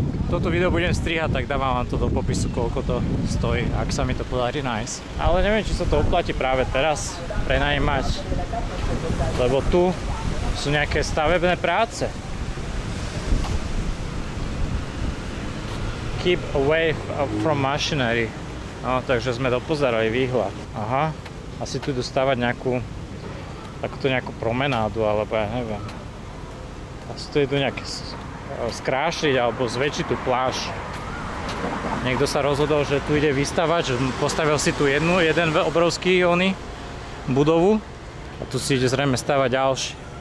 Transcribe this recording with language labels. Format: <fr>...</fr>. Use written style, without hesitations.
<sk>toto video budem strihať, tak dávam vám to do popisu, koľko to stojí, ak sa mi to podarí nájsť. Ale neviem, či sa to oplatí práve teraz prenajímať, lebo tu sú nejaké stavebné práce.</sk> <en>Keep away from machinery.</en> <sk>No, takže sme dopozerali výhľad. Aha, asi tu dostávať nejakú takúto nejakú promenádu, alebo ja neviem. Asi tu idú nejaké skrášliť alebo zväčšiť tú pláž. Niekto sa rozhodol, že tu ide vystavať, že postavil si tu jeden obrovský ony budovu a tu si ide zrejme stavať ďalší.</sk>